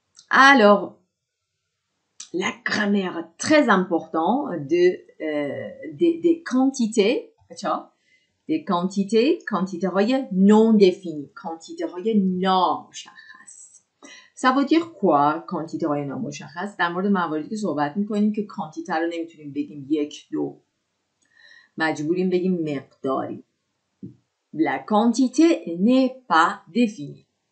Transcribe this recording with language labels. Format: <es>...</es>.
<fr>Alors, la grammaire très importante des quantités, tu vois, des quantités, quantités non définies, quantités non مشخص. Ça veut dire quoi, quantités non مشخص?</fr> <fa>در مورد مواردی که صحبت می‌کنیم که کانتیته رو نمی‌تونیم بگیم یک دو. مجبوریم بگیم مقداری.</fa> <fr>La quantité n'est pas définie.</fr>